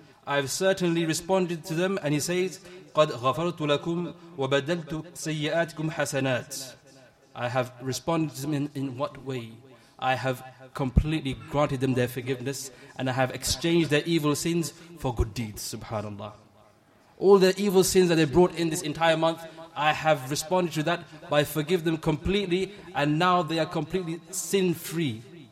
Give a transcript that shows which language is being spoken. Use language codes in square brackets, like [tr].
[en] I have certainly responded to them. And he says, [ar] قَدْ غَفَرْتُ لَكُمْ وَبَدَلْتُ سَيِّئَاتِكُمْ حَسَنَاتٍ. [en] I have responded to them in what way? I have completely granted them their forgiveness and I have exchanged their evil sins for good deeds, subhanAllah. All the evil sins that they brought in this entire month, I have responded to that by forgive them completely and now they are completely sin-free.